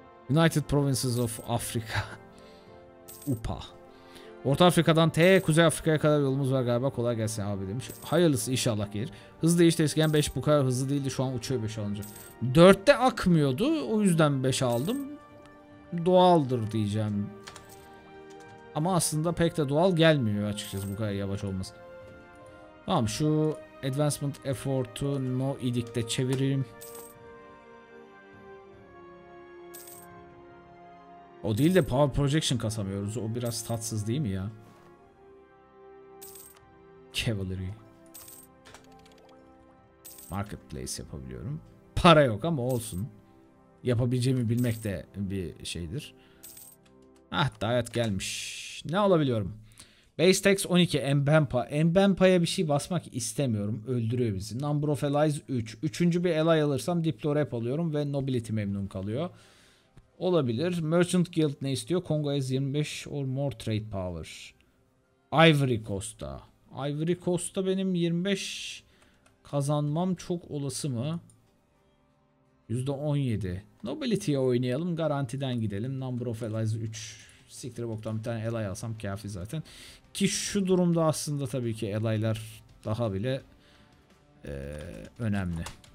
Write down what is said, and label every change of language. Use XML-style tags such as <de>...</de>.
<en>United Provinces of Africa. UPA.</en> <tr>Orta Afrika'dan T Kuzey Afrika'ya kadar yolumuz var galiba, kolay gelsin abi demiş. Hayırlısı inşallah gelir. Hızlı değişti, eskiden 5 bu kadar hızlı değildi, şu an uçuyor 5 alınca. 4'te akmıyordu o yüzden 5 aldım. Doğaldır diyeceğim. Ama aslında pek de doğal gelmiyor açıkçası bu kadar yavaş olması. Tamam, şu Advancement Effort'u No Edict'e çevireyim. O değil de power projection kasamıyoruz. O biraz tatsız değil mi ya?</tr> <en>Cavalry.</en> <tr>Marketplace yapabiliyorum. Para yok ama olsun. Yapabileceğimi bilmek de bir şeydir. Ah, dayat gelmiş. Ne alabiliyorum? Base tax 12, Mbempa. Mbempa'ya bir şey basmak istemiyorum. Öldürüyor bizi.</tr> <en>Number of allies 3.</en> <tr>Üçüncü bir ally alırsam Diplorep alıyorum ve nobility memnun kalıyor. Olabilir. Merchant Guild ne istiyor?</tr> <en>Congo has 25 or more trade power.</en> <tr>Ivory Coast'ta. Ivory Coast'ta benim 25 kazanmam çok olası mı? %17. Nobility'ye oynayalım. Garantiden gidelim.</tr> <en>Number of allies 3.</en> <tr>Siktir boktan bir tane ally alsam kafi zaten. Ki şu durumda aslında tabii ki ally'lar daha bile önemli.</tr>